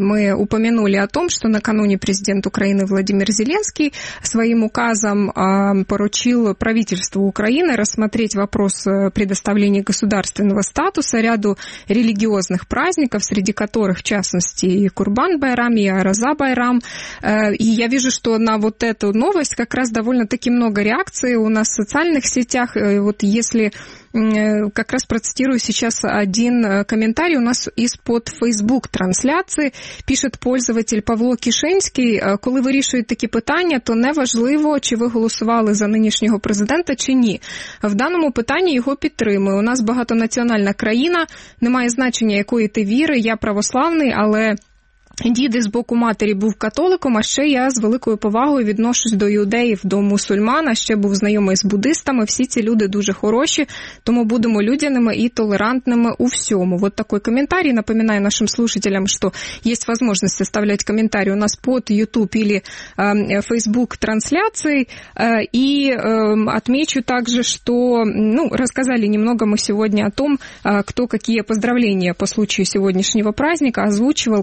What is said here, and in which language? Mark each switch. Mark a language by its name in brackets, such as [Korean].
[Russian] Мы упомянули о том, что накануне президент Украины Владимир Зеленский своим указом поручил правительству Украины рассмотреть вопрос предоставления государственного статуса ряду религиозных праздников, среди которых, в частности, и Курбан-Байрам, и Ораза-Байрам. И я вижу, что на вот эту новость как раз довольно-таки много реакций у нас в социальных сетях. И вот если как раз процитирую сейчас один комментарий у нас из-под Facebook-трансляции. Пишет пользователь [Ukrainian] Павло Кишинський: «Коли вирішують такі питання, то неважливо, чи ви голосували за нинішнього президента, чи ні. В даному питанні його підтримую. У нас багатонаціональна країна, немає значення, якої ти віри, я православний, але дід з боку матері був католиком, а ще я з великою повагою відношусь до юдеїв, до мусульман, а ще був знайомий з буддистами. Всі ці люди дуже хороші, тому будемо людяними і толерантними у всьому». [Russian] Вот такой комментарий. Напоминаю нашим слушателям, что есть возможность оставлять комментарий у нас под YouTube или Facebook трансляцией. И отмечу также, что, ну, рассказали немного мы сегодня о том, кто какие поздравления по случаю сегодняшнего праздника озвучивал.